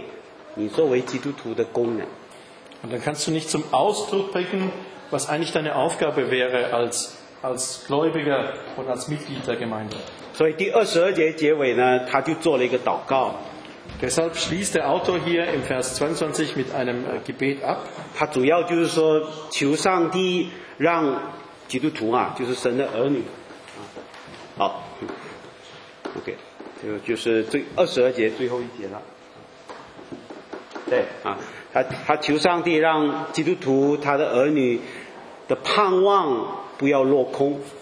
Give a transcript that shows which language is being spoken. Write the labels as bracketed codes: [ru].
[zh] 就是说你没有办法表达你作为教会、你作为基督徒的功能。 [de] Und dann kannst du nicht zum Ausdruck bringen, was eigentlich deine Aufgabe wäre als Gläubiger und als Mitglied der Gemeinde. [zh] 所以第22节结尾呢, [de] deshalb schließt der Autor hier im Vers 22 mit einem Gebet ab. [zh] 他主要就是说求上帝让基督徒啊，就是神的儿女。好，OK，就是最22节最后一节了。对啊，他求上帝让基督徒他的儿女 的盼望不要落空。